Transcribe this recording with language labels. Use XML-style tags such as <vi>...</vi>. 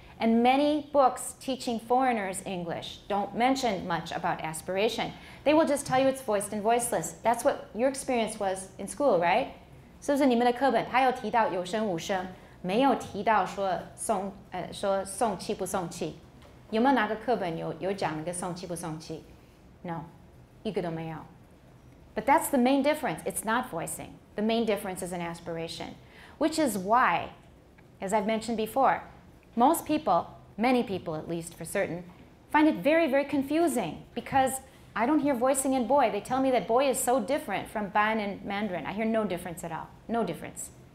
<en>And many books teaching foreigners English don't mention much about aspiration. They will just tell you it's voiced and voiceless. That's what your experience was in school, right?</en> <zh>是不是你们的课本它有提到有声无声，没有提到说送气不送气？有没有哪个课本有讲那个送气不送气 ？No, 一个都没有。</zh> <en>But that's the main difference. It's not voicing. The main difference is in aspiration, which is why, as I've mentioned before,Most people, many people at least for certain, find it very, very confusing because I don't hear voicing in boy. They tell me that boy is so different from ban and Mandarin. I hear no difference at all, no difference.</en>